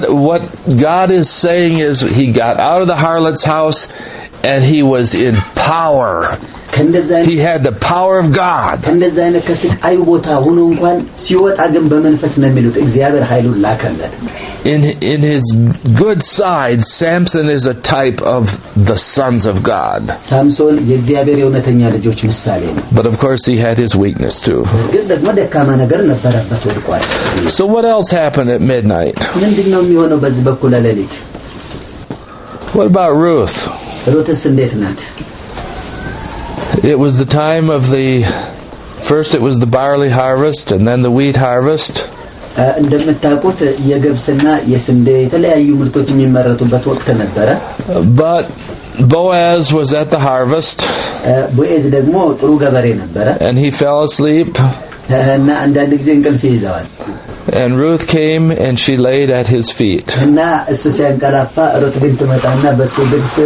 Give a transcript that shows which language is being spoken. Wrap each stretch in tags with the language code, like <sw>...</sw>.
<en>What God is saying is he got out of the harlot's house and he was in power. He had the power of God.</en> <am>እንደዛ አይነት ከስክ አይወጣ ሆኖ እንኳን ሲወጣ ግን በመንፈስ ነው የሚሉት እግዚአብሔር ኃይሉን ላከለት.</am> <en>In his good side Samson is a type of the sons of God.</en> <am>Samson የእግዚአብሔር የእውነተኛ ልጆች ምሳሌ ነው.</am> <en>But of course he had his weakness too.</en> <am>ግን ደግሞ ደካማ ነገር ነበረበት ወድቋል.</am> <en>So what else happened at midnight?</en> <am>ምንድን ነው የሚሆነው በዚህ በኩል ለሌሊት?</am> <en>What about Ruth?</en> <am>ሩትስ እንዴት ናት?</am> <en>It was the time of the first it was the barley harvest and then the wheat harvest.</en> <am>እንደምታውቁት የገብስና የስንዴ የተለያዩ ምርቶች የሚመረቱበት ወቅት ነበር።</am> <en>But Boaz was at the harvest.</en> <am>ቦአዝ ደግሞ ጥሩ ገበሬ ነበር።</am> <en>And he fell asleep.</en> <am>እና አንዳንድ ጊዜ እንቅልፍ ይይዛል።</am> <en>And Ruth came and she laid at his feet.</en> <am>እና እሱ ሲያንቀላፋ ሩት ግን ተመጣና በሱ ግን</am>